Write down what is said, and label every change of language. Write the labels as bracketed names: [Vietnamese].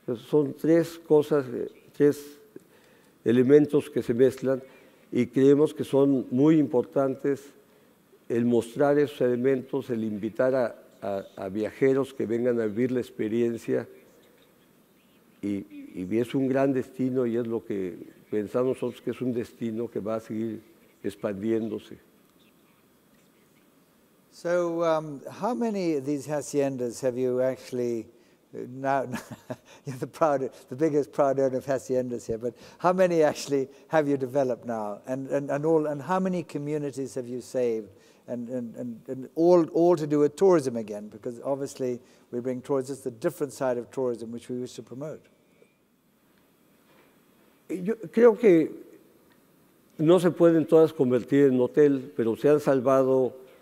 [Spanish] Son tres cosas, tres elementos que se mezclan y creemos que son muy importantes el mostrar esos elementos, el invitar a viajeros que vengan a vivir la experiencia y es un gran destino y es lo que pensamos nosotros que es un destino que va a seguir expandiéndose. [English] So, how many of these haciendas have you actually you're the biggest proud owner of haciendas here, but how many actually have you developed now? And how many communities have you saved? And all to do with tourism again, because obviously we bring tourism, it's a different side of tourism which we wish to promote. [Spanish] Yo creo que no se pueden todas convertir en hotel, pero se han salvado.